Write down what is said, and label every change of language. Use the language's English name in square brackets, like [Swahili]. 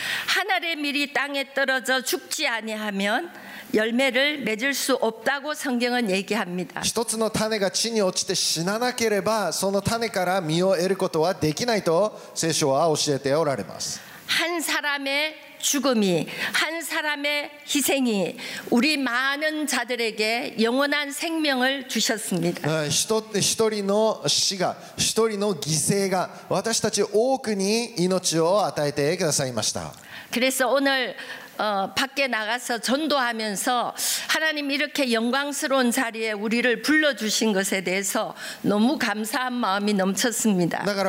[Korean] 한 알의 밀이 땅에 떨어져 죽지 아니하면 열매를 맺을 수 없다고 성경은 얘기합니다. [Japanese] 一つの種が地に落ちて死ななければその種から実を得ることはできないと聖書は教えておられます. [Korean] 한 사람의 죽음이 한 사람의 희생이 우리 많은 자들에게 영원한 생명을 주셨습니다. [Japanese] 一人の死が一人の犠牲が私たち多くに命を与えてくださいました. [Korean] 그래서 오늘 밖에 나가서 전도하면서 하나님 이렇게 영광스러운 자리에 우리를 불러주신 것에 대해서 너무 감사한 마음이 넘쳤습니다.